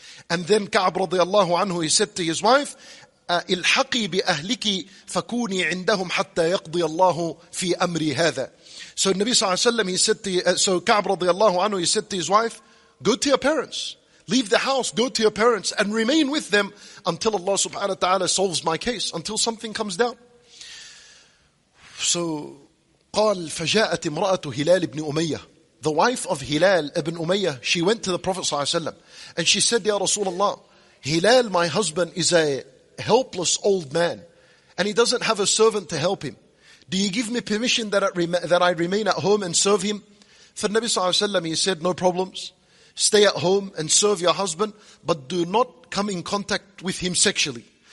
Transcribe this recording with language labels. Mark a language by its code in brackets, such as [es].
[en] And then Ka'ab radiallahu anhu, he said to his wife, [ar] إِلْحَقِي بِأَهْلِكِ فَكُونِي عِنْدَهُمْ حَتَّى يَقْضِيَ اللَّهُ فِي أَمْرِي هَذَا. [en] So Nabi sallallahu alayhi wasallam, he said to, so Ka'ab radiallahu anhu, he said to his wife, go to your parents. Leave the house, go to your parents, and remain with them until Allah subhanahu wa ta'ala solves my case, until something comes down. [ar] So, قال فجاءت امرأة هلال بن أمية. [en] The wife of Hilal ibn Umayyah, she went to the Prophet sallallahu alayhi wa sallam, and she said, Ya Rasulullah, Hilal, my husband, is a helpless old man, and he doesn't have a servant to help him. Do you give me permission that I remain at home and serve him? For Nabi sallallahu alayhi wa sallam, he said, no problems. Stay at home and serve your husband, but do not come in contact with him sexually.